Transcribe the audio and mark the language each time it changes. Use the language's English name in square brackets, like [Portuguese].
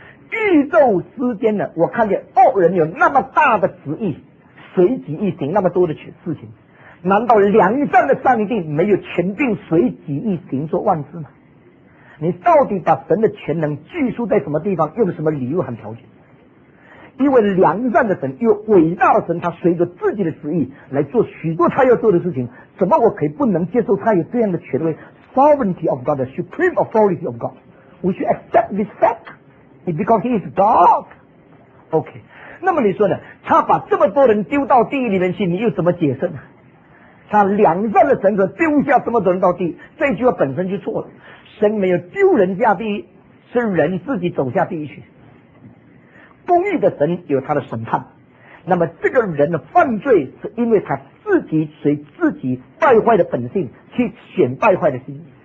[Chinese] 宇宙之间呢，我看见恶人有那么大的旨意，随己意行那么多的事情，难道良善的上帝没有权定随己意行做万事吗？你到底把神的全能拘束在什么地方，用什么理由和条件？因为良善的神又伟大的神，他随着自己的旨意来做许多他要做的事情，怎么我可以不能接受他有这样的权威？ [English] Sovereignty of God, the supreme authority of God, we should accept this fact because he is God. [Chinese] OK,那么你说呢，他把这么多人丢到地狱里面去，你又怎么解释呢？他两善的神可丢下这么多人到地狱，这句话本身就错了。神没有丢人下地狱，是人自己走下地狱去。公义的神有他的审判，那么这个人的犯罪是因为他自己随自己败坏的本性去选败坏的心。